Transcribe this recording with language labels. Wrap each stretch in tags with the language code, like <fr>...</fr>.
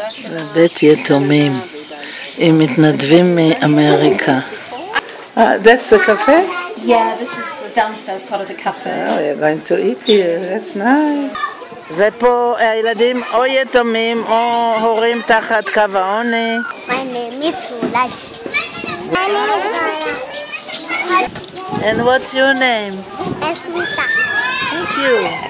<he>בבית יתומים עם מתנדבים מאמריקה.</he> <en>That's the cafe? Yeah, this is the downstairs part of the cafe. Oh, you're going to eat here. That's nice.</en> <he>ופה הילדים או יתומים או הורים תחת קו העוני.</he> <en>My name is Ulaj. My name is Raya. And what's your name? Esmita. Thank you.</en>